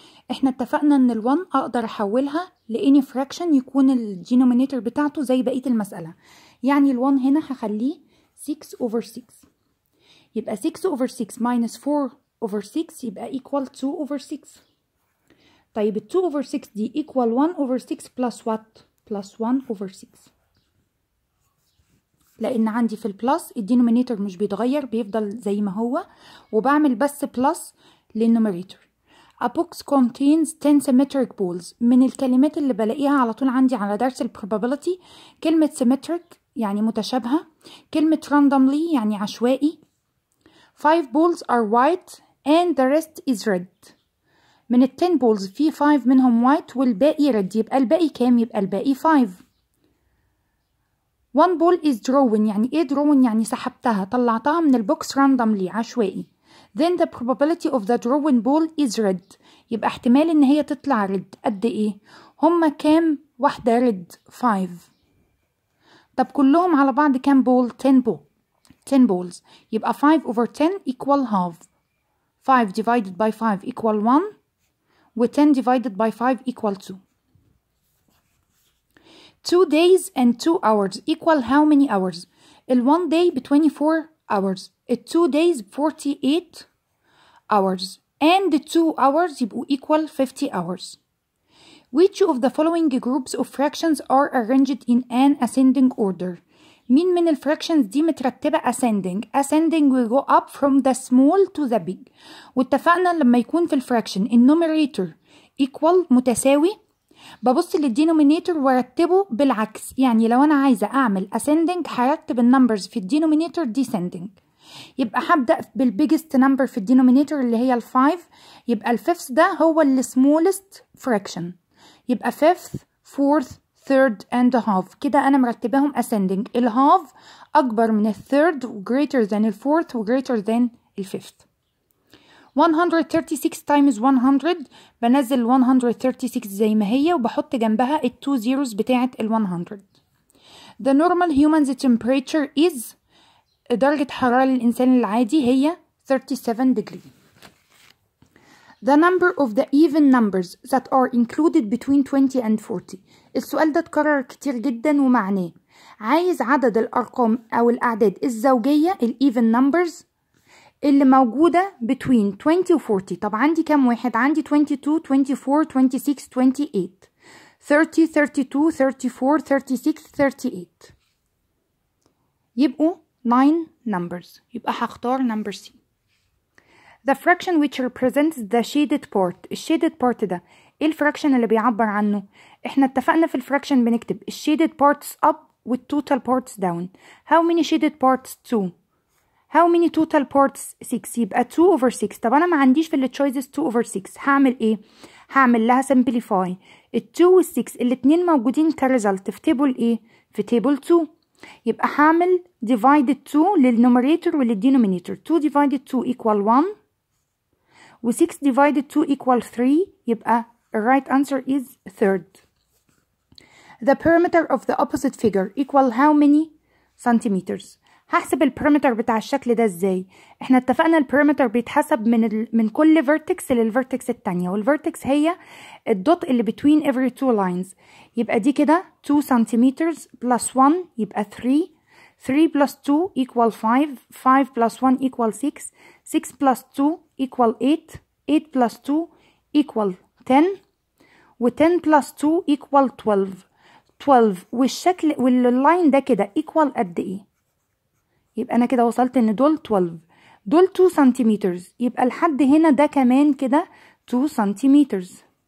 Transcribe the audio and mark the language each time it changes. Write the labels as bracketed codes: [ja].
[ar] احنا اتفقنا ان ال 1 اقدر احولها ل [en] any fraction [ar] يكون ال denominator بتاعته زي بقية المسألة، يعني ال 1 هنا هخليه 6 over 6، يبقى [en] 6 over 6 minus 4 over 6 [ar] يبقى equal 2 over 6. طيب ال 2 over 6 دي equal 1 over 6 plus what؟ plus 1 over 6، لأن عندي في البلس الدينومينيتور مش بيتغير بيفضل زي ما هو، وبعمل بس بلس للنوميريتور. [en] A box contains 10 symmetric balls. [ar] من الكلمات اللي بلاقيها على طول عندي على درس البروبابيلتي كلمة symmetric يعني متشابهة، كلمة randomly يعني عشوائي. [en] 5 balls are white and the rest is red. [ar] من ال 10 balls في 5 منهم white والباقي red، يبقى الباقي كام؟ يبقى الباقي 5. 1 ball is drawn، يعني ايه drawn؟ يعني سحبتها طلعتها من البوكس randomly عشوائي. [en] then the probability of the drawn ball is red، [ar] يبقى احتمال ان هي تطلع red قد ايه؟ هما كام واحدة red؟ 5. طب كلهم على بعض كام ball؟ 10 ball. [en] 10 balls يبقى 5 over 10 equal half. 5 divided by 5 equal 1 و 10 divided by 5 equal 2. 2 days and 2 hours equal how many hours؟ ال 1 day ب 24 hours، ال 2 days 48 hours and the 2 hours يبقوا equal 50 hours. which of the following groups of fractions are arranged in an ascending order؟ [ar] مين من الفراكشنز دي مترتبة [en] ascending؟ ascending will go up from the small to the big. [ar] واتفقنا لما يكون في الفراكشن النوميريتور equal متساوي ببص للدينوميناتور وارتبه بالعكس، يعني لو انا عايزة اعمل ascending هرتب النمبرز في الدينوميناتور descending، يبقى هبدأ بالbiggest number في الدينوميناتور اللي هي الفايف، يبقى الفيفث ده هو السمولست فراكشن، يبقى فيفث فورث third and half. كده أنا مرتبهم ascending. [en] ال half [ar] أكبر من [en] ال third greater than ال fourth greater than ال fifth. [ar] 136 times 100 بنزل 136 زي ما هي وبحط جنبها ال two zeros بتاعة ال 100. [en] The normal human's temperature is [ar] درجة حرارة الإنسان العادي هي [en] 37 degree. The number of the even numbers that are included between 20 and 40. [ar] السؤال ده اتكرر كتير جدا ومعناه عايز عدد الأرقام أو الأعداد الزوجية الـ even numbers اللي موجودة between 20 و 40. طب عندي كم واحد؟ عندي 22, 24, 26, 28, 30, 32, 34, 36, 38. يبقوا 9 numbers. يبقى هختار number C. [en] The fraction which represents the shaded part. [ar] ال shaded part ده ايه الفراكشن اللي بيعبر عنه؟ احنا اتفقنا في الفراكشن بنكتب ال [en] shaded parts up with total parts down. How many shaded parts 2؟ How many total parts 6؟ يبقى 2 over 6. [ar] طب انا ما عنديش في ال choices 2 over 6، هعمل ايه؟ هعمل لها simplify. ال 2 وال 6 الاتنين موجودين ك result في table ايه؟ في table 2. يبقى هعمل divided 2 للنوميريتور وللدينوميناتور. [en] 2 divided 2 equal 1 و 6 divided 2 equal 3. يبقى right answer is third. The perimeter of the opposite figure equal how many centimeters؟ [ar] هحسب البرمتر بتاع الشكل ده ازاي؟ احنا اتفقنا البرمتر بيتحسب من كل vertex للvertex التانية، والvertex هي الدوت اللي between every two lines. يبقى دي كده 2 centimeters plus 1 يبقى 3، 3 plus 2 equal 5، 5 plus 1 equal 6، 6 plus 2 equal 8، 8 plus 2 equal 10، و 10 plus 2 equal 12، 12 والشكل واللاين ده كده equal قد ايه؟ يبقى انا كده وصلت ان دول 12، دول 2 سنتيمترز، يبقى الحد هنا ده كمان كده 2 سنتيمترز،